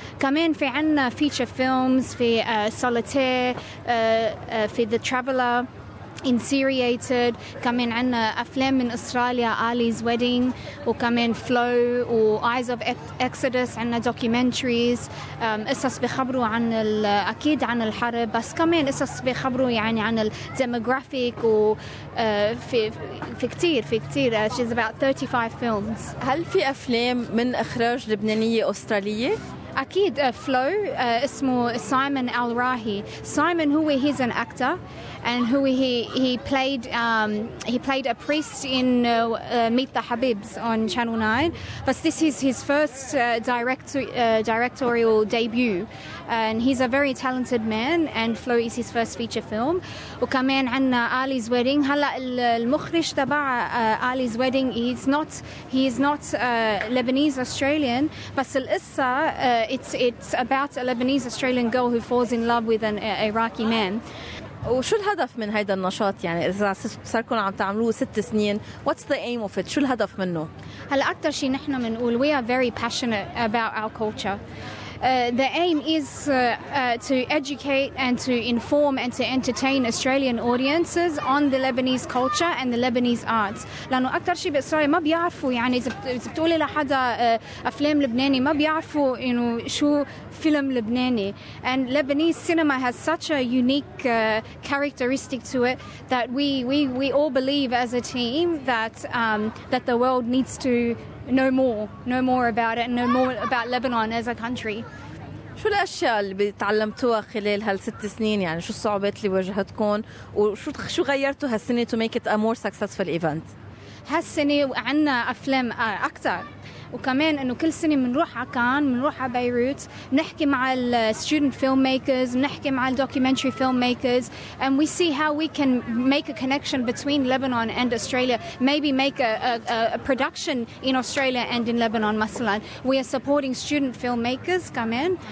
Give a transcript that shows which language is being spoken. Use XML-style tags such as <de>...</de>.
<ar>كمان في عنا</ar> <en>feature films</en> <ar>في Solitaire، في The Traveller Inseriated، كمان عنا أفلام من أستراليا Ali's Wedding، وكمان Flow و Eyes of Exodus، عنا</ar> <en>documentaries</en> <ar>قصص بخبروا عن أكيد عن الحرب، بس كمان قصص بخبروا يعني عن الديموغرافيك، وفي كتير</ar> <en>she's about 35 films.</en> <ar>هل في أفلام من إخراج لبنانية أسترالية؟ أكيد فلو اسمه سايمون الراهي. سايمون هو</ar> <en>he's an actor and who he played a priest in Meet the Habibs on Channel 9. But this is his first directorial debut. And he's a very talented man and Flo is his first feature film.</en> <ar>وكمان عنا Ali's Wedding. هلا المخرج تبع</ar> <en>Ali's Wedding he's not Lebanese Australian,</en> <ar>بس القصة</ar> <en>it's about a Lebanese Australian girl who falls in love with an Iraqi man.</en> <ar>وشو الهدف من هيدا النشاط؟ يعني إذا صاركم عم تعملوه 6 سنين،</ar> <en>what's the aim of it؟</en> <ar>شو الهدف منه؟ هلا أكتر شي نحن منقول</ar> <en>we are very passionate about our culture. the aim is to educate and to inform and to entertain Australian audiences on the Lebanese culture and the Lebanese arts.</en> <ar>لأنه أكتر شيء بإسرائيل ما بيعرفوا يعني إذا بتقولي لحدا أفلام لبناني ما بيعرفوا إنه شو</ar> <en>film Lebanese, and Lebanese cinema has such a unique characteristic to it that we all believe as a team that that the world needs to know more about it and know more about Lebanon as a country.</en> <ar>شو الأشياء اللي بتعلمتوها خلال هالست سنين يعني شو الصعوبات اللي واجهتكم وشو شو غيرتوا هالسنة</ar> <en>to make it a more successful event؟</en> <ar>هالسنة عنا أفلام أكثر. وكمان إنه كل سنة منروح على كان منروح على بيروت نحكي مع</ar> <en>ال student filmmakers</en> <ar>نحكي مع ال</ar> <en>documentary filmmakers and we see how we can make a connection between Lebanon and Australia maybe make a production in Australia and in Lebanon</en> <ar>مثلا</ar> <en>we are supporting student filmmakers</en> <ar>كمان</ar>